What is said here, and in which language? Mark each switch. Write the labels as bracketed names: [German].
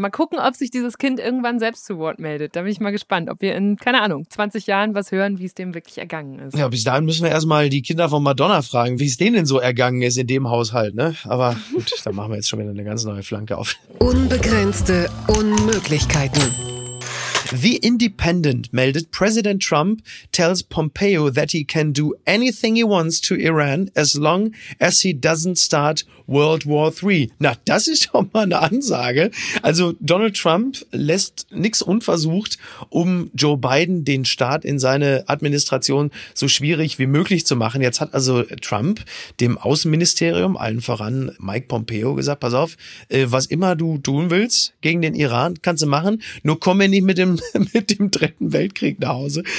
[German] Mal gucken, ob sich dieses Kind irgendwann selbst zu Wort meldet. Da bin ich mal gespannt, ob wir in, keine Ahnung, 20 Jahren was hören, wie es dem wirklich ergangen ist. Ja, bis dahin müssen wir erstmal die Kinder von Madonna fragen, wie es denen so ergangen ist in dem Haushalt, ne? Aber gut, da machen wir jetzt schon wieder eine ganz neue Flanke auf. Unbegrenzte Unmöglichkeiten. [English] The Independent [German] meldet, [English] President Trump tells Pompeo that he can do anything he wants to Iran as long as he doesn't start World War III. [German] Na, das ist doch mal eine Ansage. Also Donald Trump lässt nichts unversucht, um Joe Biden den Start in seine Administration so schwierig wie möglich zu machen. Jetzt hat also Trump dem Außenministerium, allen voran Mike Pompeo, gesagt, pass auf, was immer du tun willst gegen den Iran, kannst du machen, nur komm mir nicht mit dem Dritten Weltkrieg nach Hause.